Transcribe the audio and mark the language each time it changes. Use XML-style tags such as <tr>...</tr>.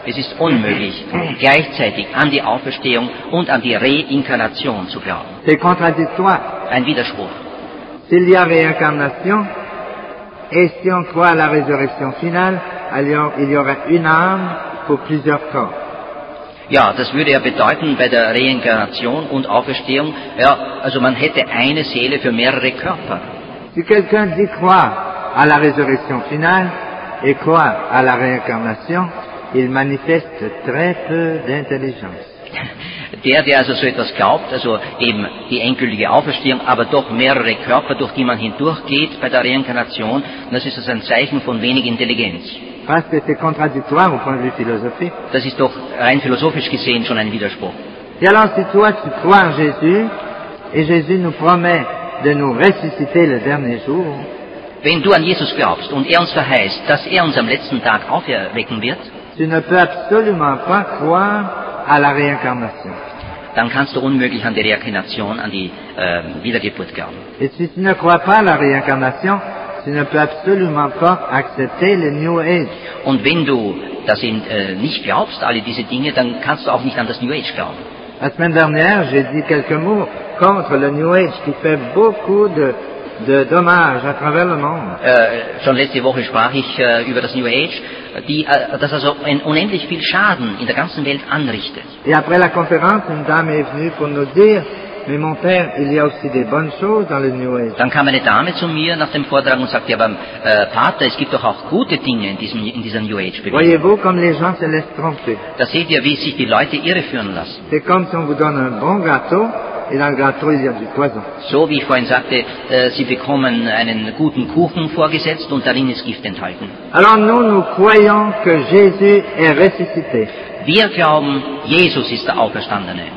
<de>Es ist unmöglich, gleichzeitig an die Auferstehung und an die Reinkarnation zu glauben.</de> <fr>C'est contradictoire.</fr> <de>Ein Widerspruch.</de> <fr>S'il y a réincarnation, et si on croit à la résurrection finale, alors il y aura une âme pour plusieurs corps.</fr> <de>Ja, das würde ja bedeuten bei der Reinkarnation und Auferstehung, ja, also man hätte eine Seele für mehrere Körper.</de> <fr>Si quelqu'un dit croire à la résurrection finale et croit à la réincarnation, il manifeste très peu d'intelligence.</fr> <de>Der also so etwas glaubt, also eben die endgültige Auferstehung, aber doch mehrere Körper, durch die man hindurchgeht bei der Reinkarnation, das ist also ein Zeichen von wenig Intelligenz. Das ist doch rein philosophisch gesehen schon ein Widerspruch.</de> <fr>Alors, si toi, tu crois en Jésus, et Jésus nous promet de nous ressusciter le dernier jour.</fr> <de>Wenn du an Jesus glaubst und uns verheißt, dass uns am letzten Tag auferwecken wird,</de> <fr>tu ne peux absolument pas croire à la réincarnation.</fr> <de>Dann kannst du unmöglich an die Reinkarnation, an die Wiedergeburt glauben.</de> <fr>Et si tu ne crois pas à la réincarnation, tu ne peux absolument pas accepter le New Age.</fr> <de>Und wenn du das eben nicht glaubst, alle diese Dinge, dann kannst du auch nicht an das New Age glauben.</de> <fr>La semaine dernière, j'ai dit quelques mots contre le New Age, qui fait beaucoup de dommages à travers le monde.</fr> <de>Schon letzte Woche sprach ich über das New Age, das also unendlich viel Schaden in der ganzen Welt anrichtet.</de> <fr>Et après la conférence, une dame est venue pour nous dire, mais mon père, il y a aussi des bonnes choses dans le New Age.</fr> <de>Dann kam eine Dame zu mir nach dem Vortrag und sagte, aber Pater, es gibt doch auch gute Dinge in dieser New Age Bewegung.</de> <fr>Voyez-vous comme les gens se laissent tromper.</fr> <de>Da seht ihr, wie sich die Leute irreführen lassen.</de> <fr>C'est comme si on vous donne un bon gâteau. Et dans le gâteau, il y a du poison.</fr> <de>So wie ich vorhin sagte, sie bekommen einen guten Kuchen vorgesetzt und darin ist Gift enthalten.</de> <fr>Alors nous croyons que Jésus est ressuscité.</fr> <de>Wir glauben, Jesus ist der Auferstandene.</de>